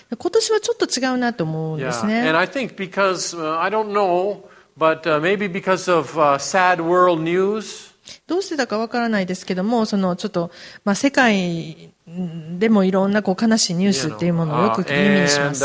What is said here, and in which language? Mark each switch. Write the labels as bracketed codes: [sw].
[ja] 今年はちょっと違うなと思うんですね。 [en] Yeah, and I think because, I don't know, but maybe because of sad world news. [ja] どうしてだかわからないですけども、そのちょっと、まあ、世界でもいろんなこう悲しいニュースっていうものをよく耳にします。